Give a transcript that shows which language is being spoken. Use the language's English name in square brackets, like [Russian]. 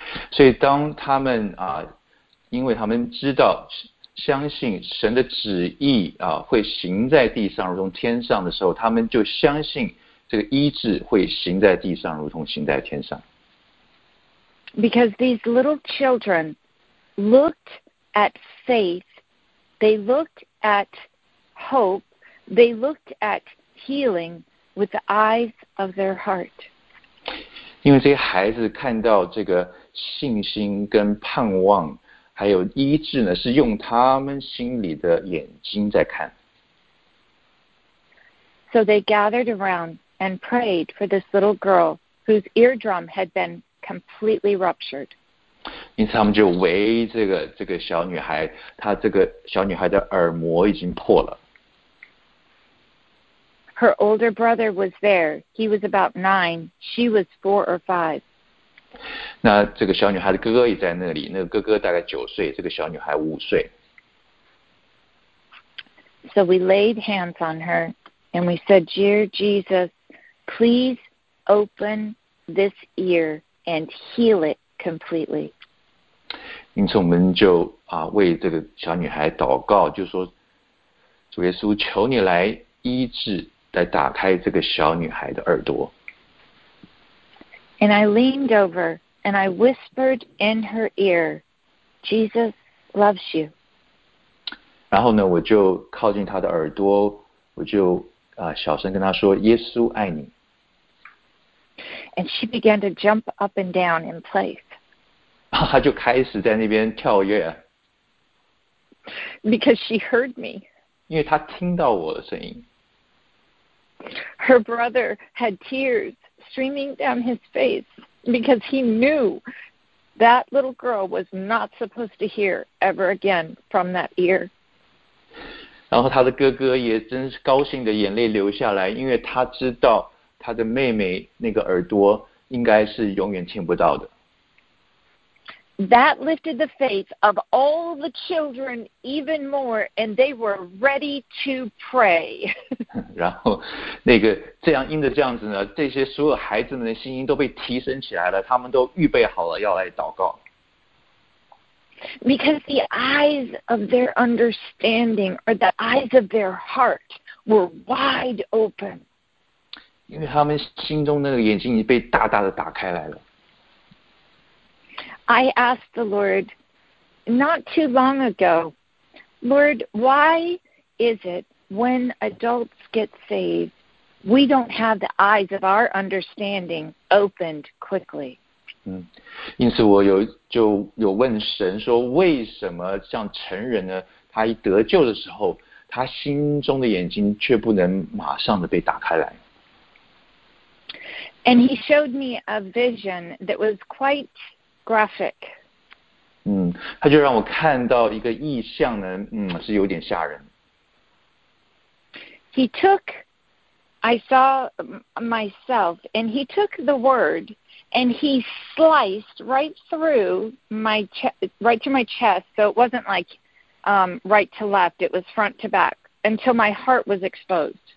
[Chinese] 所以当他们、因为他们知道相信神的旨意、会行在地上如同天上的时候，他们就相信这个医治会行在地上如同行在天上。 [English] Because these little children... looked at faith, they looked at hope, they looked at healing with the eyes of their heart. [Chinese] 因为这些孩子看到这个信心跟盼望还有医治呢，是用他们心里的眼睛在看。 [English] So they gathered around and prayed for this little girl whose eardrum had been completely ruptured. [Chinese] 因此他们就围这个小女孩，她这个小女孩的耳膜已经破了。 [English] Her older brother was there. He was about 9. She was 4 or 5. [Chinese] 那这个小女孩的哥哥也在那里，那个哥哥大概9岁，这个小女孩5岁。 [English] So we laid hands on her and we said, Dear Jesus, please open this ear and heal it completely. [Chinese] 因此我们就、为这个小女孩祷告，就说主耶稣求你来医治，来打开这个小女孩的耳朵。 [English] And I leaned over and I whispered in her ear, Jesus loves you. [Chinese] 然后呢我就靠近她的耳朵，我就、小声跟她说耶稣爱你。 [English] And she began to jump up and down in place. [Chinese] 他就开始在那边跳跃。 [English] Because she heard me. [Chinese] 因为他听到我的声音。 [English] Her brother had tears streaming down his face because he knew that little girl was not supposed to hear ever again from that ear. [Chinese] 然后他的哥哥也真是高兴的眼泪流下来，因为他知道他的妹妹那个耳朵应该是永远听不到的。 [English] That lifted the faith of all the children even more, and they were ready to pray. [Chinese] 然后，那个这样因着这样子呢，这些所有孩子们的信心都被提升起来了，他们都预备好了要来祷告。 [English] Because the eyes of their understanding or the eyes of their heart were wide open. [Chinese] 因为他们心中那个眼睛已经被大大的打开来了。 [English] I asked the Lord not too long ago, Lord, why is it when adults get saved, we don't have the eyes of our understanding opened quickly? [Chinese] 因此我就有问神说，为什么像成人呢，他一得救的时候，他心中的眼睛却不能马上的被打开来。 [English] And he showed me a vision that was quite graphic. [Chinese] 他就让我看到一个意象呢，是有点吓人。 [English] He took, I saw myself, and he took the word, and he sliced right through my right to my chest, so it wasn't like right to left, it was front to back, until my heart was exposed.